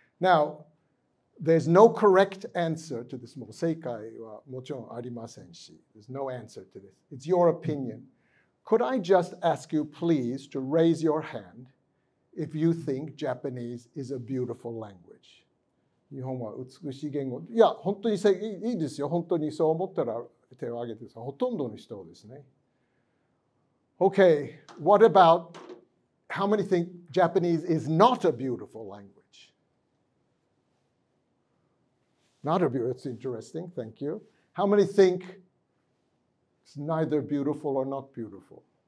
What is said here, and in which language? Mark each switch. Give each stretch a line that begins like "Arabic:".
English: Now, there's no correct answer to this.
Japanese: 正解はもちろんありませんし、
English: there's no answer to this. It's your opinion. Could I just ask you, please, to raise your hand if you think Japanese is a beautiful language?
Japanese: 日本は美しい言語。いや、本当にいいですよ。本当にそう思ったら手を挙げてください。ほとんどの人ですね。
English: Okay, what about how many think Japanese is not a beautiful language? Not a beautiful, that's interesting, thank you. How many think it's neither beautiful or not beautiful?